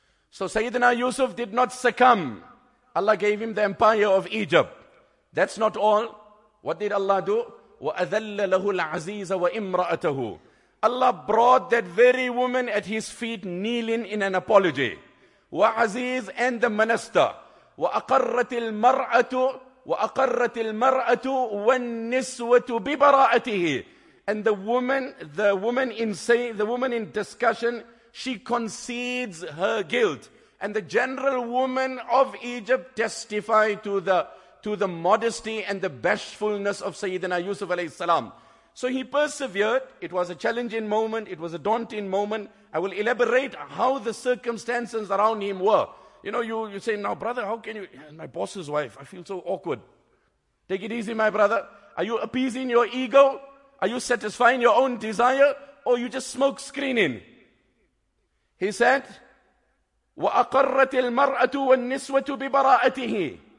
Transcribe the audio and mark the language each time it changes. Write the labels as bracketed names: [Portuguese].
[English] So Sayyidina Yusuf did not succumb. Allah gave him the empire of Egypt. That's not all. What did Allah do? [Arabic] وَأَذَلَّ لَهُ الْعَزِيزَ وَإِمْرَأَتَهُ. [English] Allah brought that very woman at his feet kneeling in an apology. وَعَزِيز and the minister. [Arabic] وَأَقَرَّتِ الْمَرْأَةُ وأقرت المرأة والنسوة ببراءته. [English] And the woman in discussion, she concedes her guilt. And the general woman of Egypt testify to the modesty and the bashfulness of Sayyidina Yusuf alayhi salam. So he persevered. It was a challenging moment. It was a daunting moment. I will elaborate how the circumstances around him were. You know, you say, now brother, how can you, my boss's wife, I feel so awkward. Take it easy, my brother. Are you appeasing your ego? Are you satisfying your own desire? Or you just smoke screening? He said, [Arabic] وَأَقَرَّتِ الْمَرْأَةُ وَالنِّسْوَةُ بِبَرَاءَتِهِ.